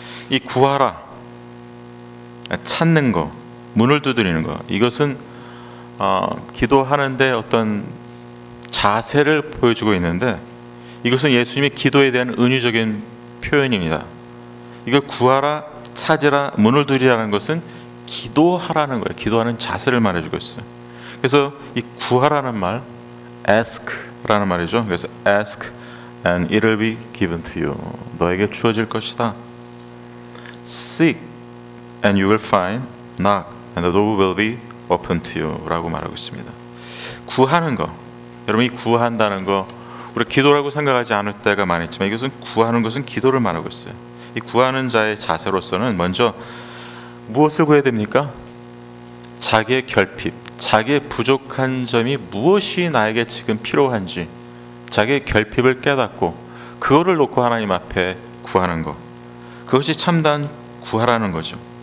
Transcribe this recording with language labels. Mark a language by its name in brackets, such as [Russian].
[Korean] 이 구하라, 찾는 거, 문을 두드리는 거, 이것은 기도하는데 어떤 자세를 보여주고 있는데 이것은 예수님의 기도에 대한 은유적인 표현입니다. 이걸 구하라, 찾으라, 문을 두드리라는 것은 기도하라는 거예요. 기도하는 자세를 말해주고 있어요. 그래서 이 구하라는 말, ask라는 말이죠. 그래서 [English] ask and it'll be given to you. [Korean] 너에게 주어질 것이다. [English] Seek and you will find. Knock and the door will be open to you. [Korean] 라고 말하고 있습니다. 구하는 거. 여러분 이 구한다는 거, 우리 기도라고 생각하지 않을 때가 많았지만 이것은 구하는 것은 기도를 말하고 있어요. 이 구하는 자의 자세로서는 먼저 무엇을 구해야 됩니까? 자기의 결핍, 자기의 부족한 점이 무엇이 나에게 지금 필요한지 자기의 결핍을 깨닫고 그거를 놓고 하나님 앞에 구하는 것, 그것이 참단 구하라는 거죠.